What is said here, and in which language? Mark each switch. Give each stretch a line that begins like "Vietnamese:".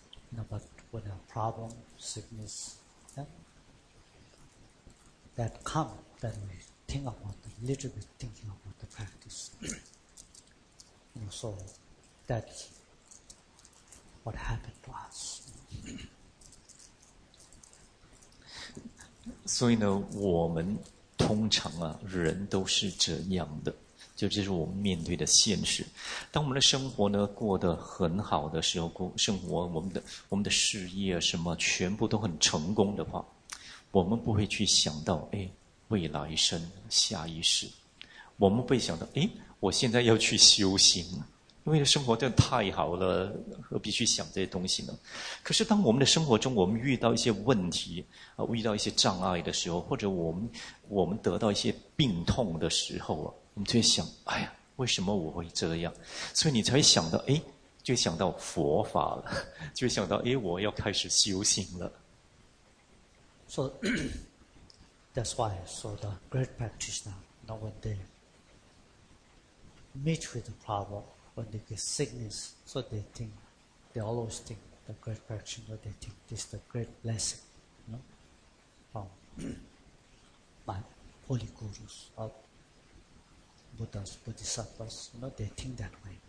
English: You know, but when a problem, sickness, that come, then we think about a little bit thinking about the practice. You know, so that's,What happened to us?
Chinese: 所以呢，我们通常啊，人都是这样的，就这是我们面对的现实。当我们的生活呢过得很好的时候，生活我们的事业什么全部都很成功的话，我们不会去想到哎，未来生下一世，我们不会想到哎，我现在要去修行。因为生活真的太好了，何必去想这些东西呢？可是当我们的生活中我们遇到一些问题啊，遇到一些障碍的时候，或者我们得到一些病痛的时候啊，我们就会想，哎呀，为什么我会这样？所以你才会想到，哎，就想到佛法了，就想到，哎，我要开始修行了。
English: So that's why, so the great practitioner, not when they meet with the problem. When they get sickness, so they think, they always think the great practitioner, they think this is the great blessing, you know, from my holy gurus, of Buddhas, Bodhisattvas, you know, they think that way.